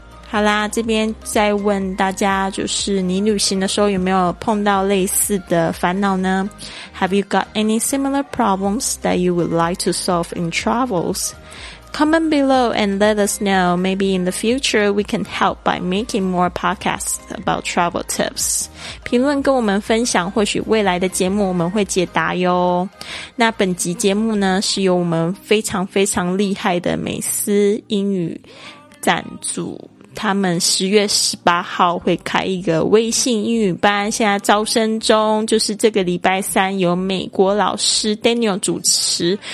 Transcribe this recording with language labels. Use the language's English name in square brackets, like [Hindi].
[Chinese] 好啦，这边再问大家，就是你旅行的时候有没有碰到类似的烦恼呢？ [English] Have you got any similar problems that you would like to solve in travels? Comment below and let us know. Maybe in the future we can help by making more podcasts about travel tips. [Chinese] 评论跟我们分享，或许未来的节目我们会解答哟。那本集节目呢，是由我们非常非常厉害的美思英语赞助，他们10月18号会开一个微信英语班，现在招生中，就是这个礼拜三由美国老师 Daniel 主持。